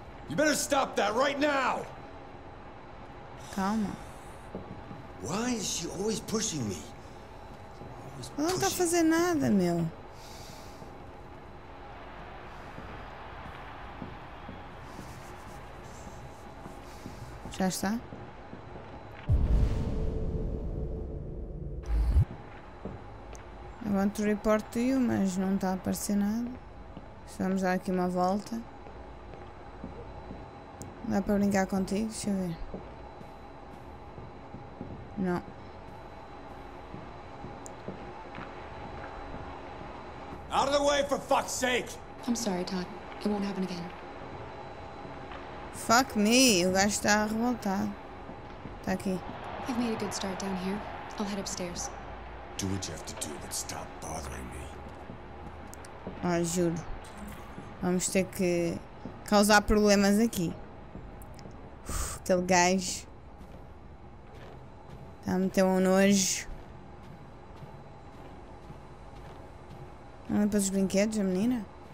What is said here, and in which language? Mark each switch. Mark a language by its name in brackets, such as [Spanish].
[English] You better stop that right now! [Portuguese] Calma. [English] Why is she always pushing me? [Portuguese] Ela não está a fazer nada, meu. Já está? [English] I want to report to you, [Portuguese] mas não está a aparecer nada. Vamos dar aqui uma volta. Dá para brincar contigo? Deixa eu ver. Não. [English] Out of the way, for fuck's sake! I'm sorry, Todd. It won't happen again. Fuck me, [Portuguese] o gajo está revoltado. Está aqui. I've made a good start down here. I'll head upstairs. Do what you have to do, but stop bothering me. Ah, juro. Vamos ter que causar problemas aqui. Uf, aquele gajo está a meter um nojo. Não é para os brinquedos, a menina?